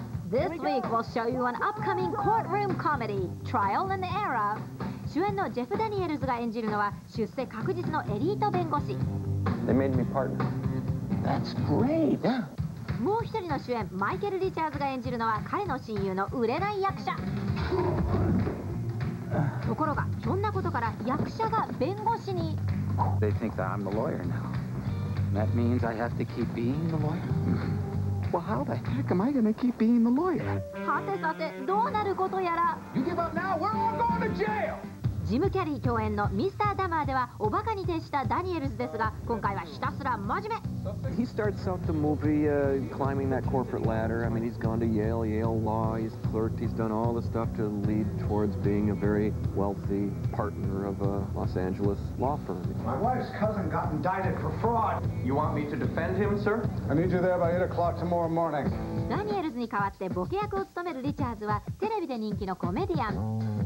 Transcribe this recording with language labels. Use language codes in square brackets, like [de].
[en] This week we'll show you an upcoming courtroom comedy, Trial in the Era. [ja] 主演のジェフ・ダニエルズが演じるのは出世確実のエリート弁護士。 [en] They made me partner. That's great. [ja] もう一人の主演、マイケル・リチャーズが演じるのは彼の親友の売れない役者。ところが、そんなことから役者が弁護士に。 [en] They think that I'm the lawyer now. That means I have to keep being the lawyer. Well, how the heck am I going to keep being the lawyer? [ja] はてさて、どうなることやら。 [en] You give up now, we're all going to jail! [ja] ジム・キャリー共演のミスター・ダマーではおバカに徹したダニエルズですが、今回はひたすら真面目。 [en] He starts out the movie, climbing that corporate ladder. I mean, he's gone to Yale, Yale Law, he's clerked, he's done all the stuff to lead towards being a very wealthy partner of a Los Angeles law firm. My wife's cousin got indicted for fraud. You want me to defend him, sir? I need you there by 8 o'clock tomorrow morning. [ja] ダニエルズに代わってボケ役を務めるリチャーズはテレビで人気のコメディアン。